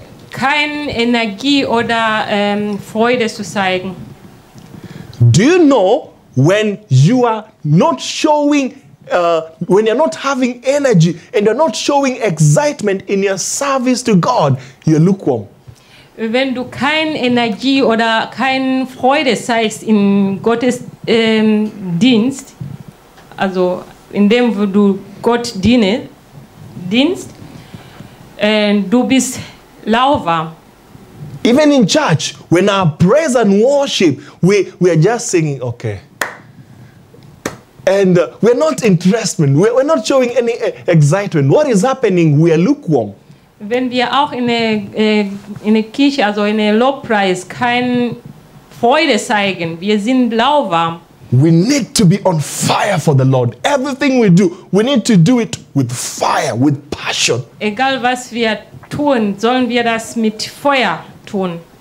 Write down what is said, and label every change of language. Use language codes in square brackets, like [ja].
[de] Keine Energie oder Freude zu zeigen. [en] Do you know when you are not showing, when you're not having energy and you're not showing excitement in your service to God, you're lukewarm. [de] Wenn du keine Energie oder keine Freude zeigst in Gottes Dienst, also in dem, wo du Gott dienst, du bist lauwarm. [en] Even in church, when our praise and worship, we are just singing, okay. And we're not interested, we're not showing any excitement. What is happening? We are lukewarm. [de] Wenn wir auch in der Kirche, also in der Lobpreis, keine Freude zeigen, wir sind lauwarm. [en] We need to be on fire for the Lord. Everything we do, we need to do it with fire, with passion. [de] Egal was wir tun, sollen wir das mit Feuer tun.